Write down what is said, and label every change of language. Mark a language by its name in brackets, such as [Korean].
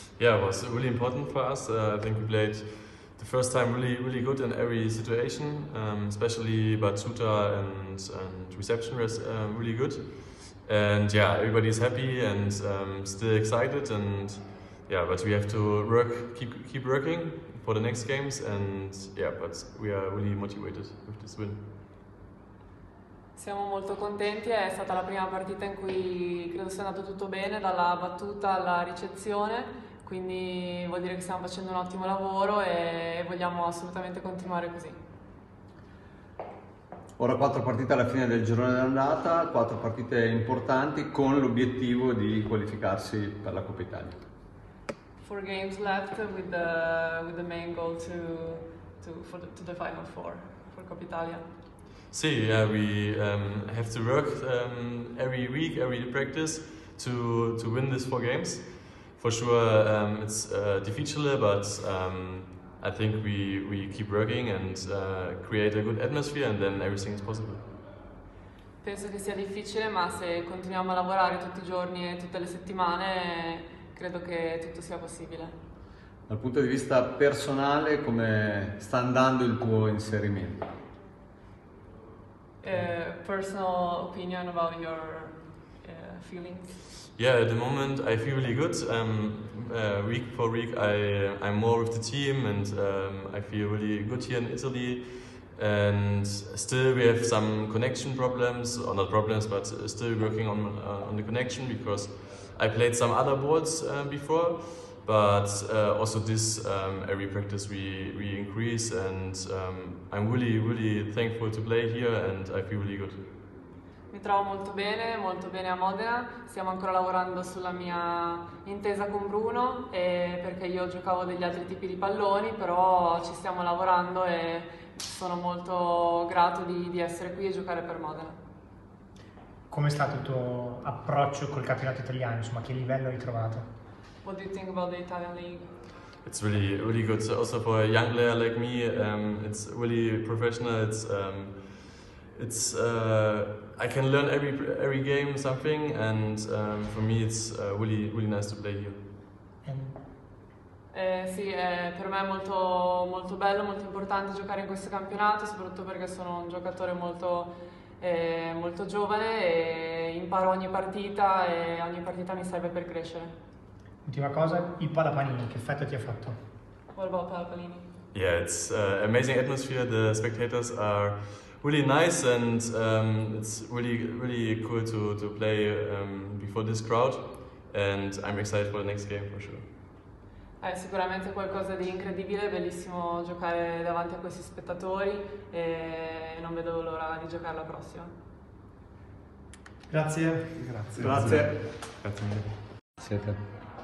[English] Yeah, it was really important for us. I think we played the first time really, really good in every situation, especially Batsuta and reception was really good. And yeah, everybody's happy and still excited. And yeah, but we have to work, keep working for the next games. And yeah, but we are really motivated with this win. [Italian] Siamo molto contenti, è stata la prima partita in cui credo sia andato tutto bene, dalla battuta alla ricezione, quindi vuol dire che stiamo facendo un ottimo lavoro e vogliamo assolutamente continuare così. Ora quattro partite alla fine del girone d'andata, quattro partite importanti con l'obiettivo di qualificarsi per la Coppa Italia. [English] Four games left with the main goal to the final four for Coppa Italia. Sì, have to work every week, every practice to win these four games. For sure, it's difficile, but I think we keep working and create a good atmosphere, and then everything is possible. [Italian] Penso che sia difficile, ma se continuiamo a lavorare tutti i giorni e tutte le settimane, credo che tutto sia possibile. Dal punto di vista personale, come sta andando il tuo inserimento? [English] Personal opinion about your feelings? Yeah, at the moment I feel really good. Week for week I'm more with the team and I feel really good here in Italy. And still we have some connection problems, or not problems, but still working on the connection because I played some other boards before. But also this every practice we increase and I'm really really thankful to play here and I feel really good. [Italian] Mi trovo molto bene a Modena. Stiamo ancora lavorando sulla mia intesa con Bruno e perché io giocavo degli altri tipi di palloni, però ci stiamo lavorando e sono molto grato di essere qui e giocare per Modena. Come è stato il tuo approccio col campionato italiano? Insomma, che livello hai trovato? [English] What do you think about the Italian league? It's really, really good. Also for a young player like me, it's really professional. I can learn every game something, and for me it's really, really nice to play here. [Italian] Per me è molto, molto bello, molto importante giocare in questo campionato, soprattutto perché sono un giocatore molto, molto giovane e imparo ogni partita e ogni partita mi serve per crescere. Ultima cosa, i Palapanini, che effetto ti ha fatto? [English] What about Palapanini? Yeah, it's amazing atmosphere. The spectators are really nice and it's really, really cool to play before this crowd. And I'm excited for the next game for sure. [Italian] È sicuramente qualcosa di incredibile, bellissimo giocare davanti a questi spettatori e non vedo l'ora di giocare la prossima. Grazie. Grazie. Grazie. Grazie mille. Grazie a te.